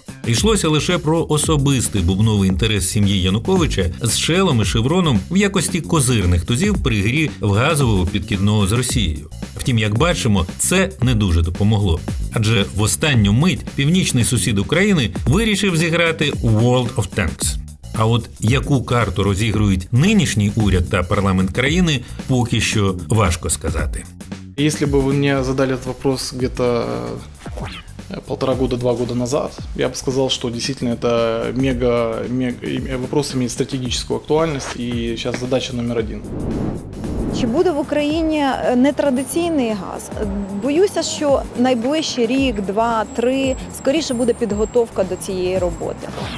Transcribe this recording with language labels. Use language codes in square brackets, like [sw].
[uk] Йшлося лише про особистий бубновий інтерес сім'ї Януковича з «Шелом» і «Шевроном» в якості козирних тузів при грі в газового підкидного з Росією. Втім, як бачимо, це не дуже допомогло. Адже в останню мить північний сусід України вирішив зіграти «World of Tanks». А от яку карту розігрують нинішній уряд та парламент країни, поки що важко сказати. Якщо б ви мені задали цей [ru] вопрос где-то полтора года, два года назад, я бы сказал, что действительно это вопрос имеет стратегическую актуальность, и сейчас задача номер один. [uk] Чи буде в Україні нетрадиційний газ? Боюся, що найближчий рік, два, три, скоріше буде підготовка до цієї роботи.